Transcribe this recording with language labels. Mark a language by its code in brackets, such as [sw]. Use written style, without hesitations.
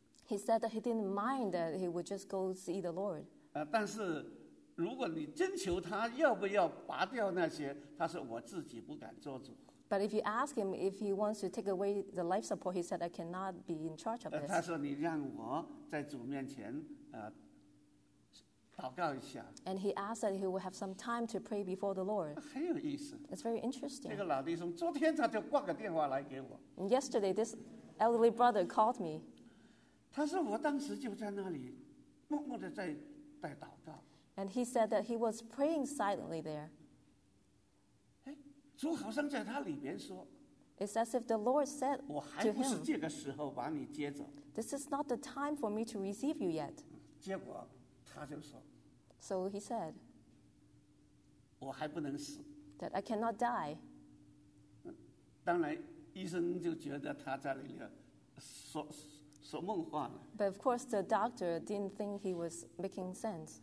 [en] He said that he didn't mind that he would just go see the Lord. [zh] 但是如果你征求他要不要拔掉那些，他说我自己不敢做主。 [en] But if you ask him if he wants to take away the life support, he said, I cannot be in charge of this. [zh] 他说你让我在主面前祷告一下。 [en] And he asked that he will have some time to pray before the Lord. [zh] 很有意思。 [en] It's very interesting. [zh] 这个老弟兄昨天他就挂个电话来给我。 [en] Yesterday, this elderly brother called me. [zh] 他说我当时就在那里默默地在祷告。 [en] And he said that he was praying silently there. [zh] 哎，主好像在他里面说。 [en] It's as if the Lord said to him, [zh] 我还不是这个时候把你接走。 [en] This is not the time for me to receive you yet. [zh] 结果他就说。 [en] So he said, [zh] 我还不能死。 [en] That I cannot die. [zh] 当然医生就觉得他在里面说。 [en] But of course, the doctor didn't think he was making sense.